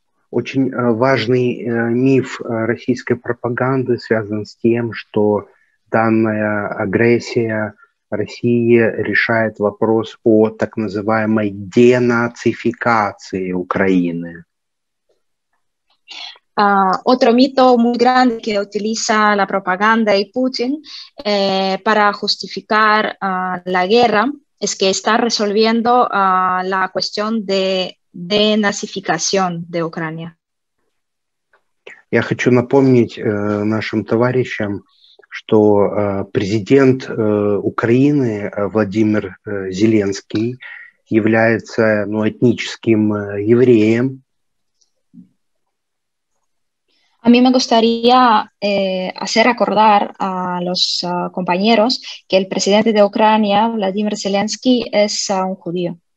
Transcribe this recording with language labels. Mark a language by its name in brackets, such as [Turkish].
[Russian] Очень важный миф российской пропаганды связан с тем, что данная агрессия России решает вопрос о так называемой денацификации Украины. [Spanish] Otro mito muy grande que utiliza la propaganda y Putin para justificar la guerra es que está resolviendo la cuestión de denazificación de Ucrania. [Russian] Я хочу напомнить нашим товарищам, что президент Украины Владимир Зеленский является этническим евреем. [Spanish] A mí me gustaría hacer acordar a los compañeros que el presidente de Ucrania, Vladimir Zelensky, es un judío.